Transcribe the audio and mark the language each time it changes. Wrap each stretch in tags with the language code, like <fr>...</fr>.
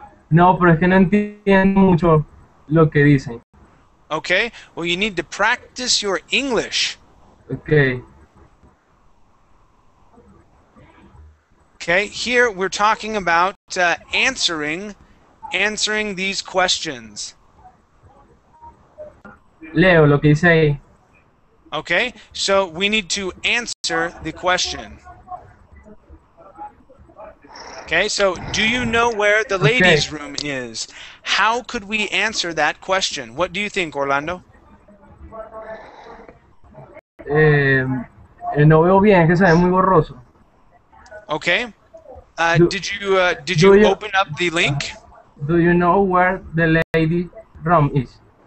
<es>No, pero es que no entiendo mucho lo que dicen.</es> <en>Okay, well, you need to practice your English. Okay. Okay, here we're talking about answering these questions.</en> <es>Leo, lo que dice ahí.</es> <en>Okay, so we need to answer the question. Okay, so do you know where the ladies' room is? How could we answer that question? What do you think, Orlando?</en> <es>No veo bien, que se ve muy borroso.</es> <en>Okay. Did you open up the link? Do you know where the lady room is?</en>